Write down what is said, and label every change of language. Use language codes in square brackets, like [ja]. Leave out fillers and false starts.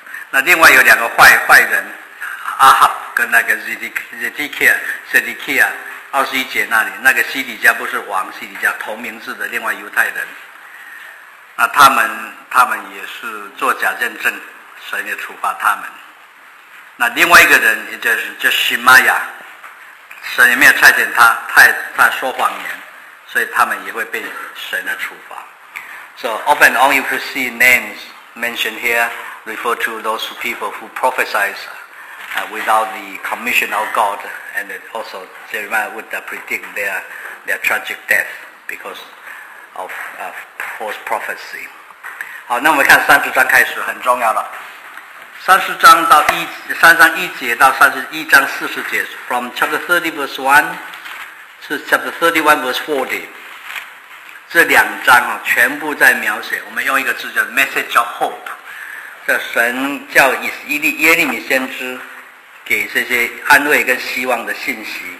[zh] 那另外有两个坏人，阿哈跟那个 Zedekiah 21节那里，那个西底家不是王，西底家同名字的另外犹太人，那他们也是作假见证，神也处罚他们。那另外一个人也就是西玛雅，神也没有差遣他，他说谎言，所以他们也会被神的处罚。 [en] So often on you can see names mentioned here refer to those people who prophesize without the commission of God, and also Jeremiah would predict their tragic death because of false prophecy. [zh] 好，那我们看三十章开始，很重要了。三十章一节到三十一章四十节 ， [en] from chapter 30:1 to chapter 31:40， [zh] 这两章啊，全部在描写。我们用一个字叫 [en] message of hope， [zh] 这神叫耶利米先知给这些安慰跟希望的信息。